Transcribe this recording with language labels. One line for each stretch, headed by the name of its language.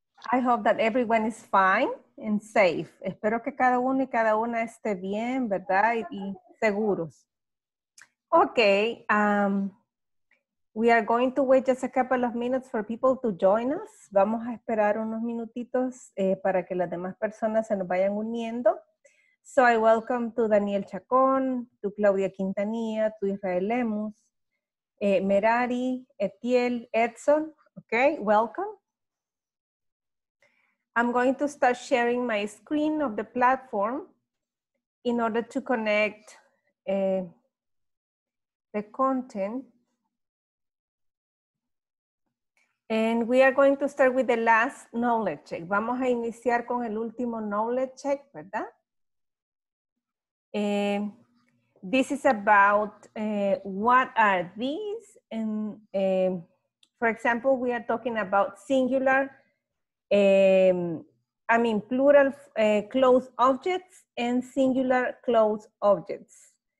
English: I hope that everyone is fine and safe.
Spanish: Espero que cada uno y cada una esté bien, ¿verdad? Y seguros.
English: Okay. We are going to wait just a couple of minutes for people to join us.
Spanish: Vamos a esperar unos minutitos para que las demás personas se nos vayan uniendo.
English: So I welcome to Daniel Chacón, to Claudia Quintanilla, to Israel Lemus, Merari, Etiel, Edson. Okay, welcome. I'm going to start sharing my screen of the platform in order to connect the content. And we are going to start with the last knowledge check.
Spanish: Vamos a iniciar con el último knowledge check, ¿verdad?
English: This is about what are these, and for example, we are talking about singular, plural closed objects and singular closed objects.